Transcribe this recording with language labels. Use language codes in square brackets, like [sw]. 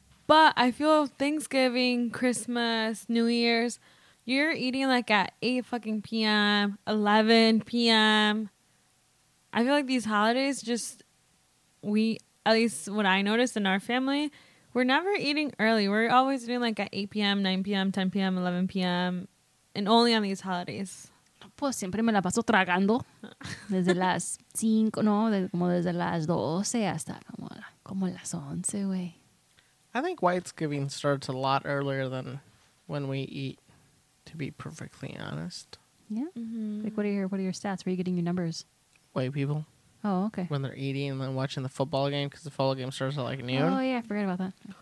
[en] But I feel Thanksgiving, Christmas, New Year's, you're eating like at 8 fucking p.m., 11 p.m. I feel like these holidays just, at least what I noticed in our family, we're never eating early. We're always eating like at 8 p.m., 9 p.m., 10 p.m., 11 p.m., and only on these holidays. [es] Pues siempre me la paso tragando. Desde las 5, no, como desde las 12 hasta como las 11, güey. [en] I think White's giving starts a lot earlier than when we eat, to be perfectly honest. Yeah. Mm-hmm. Like, what are your stats? Where are you getting your numbers? White people. Oh, okay. When they're eating and then watching the football game, because the football game starts at like noon. Oh, yeah. I forgot about that.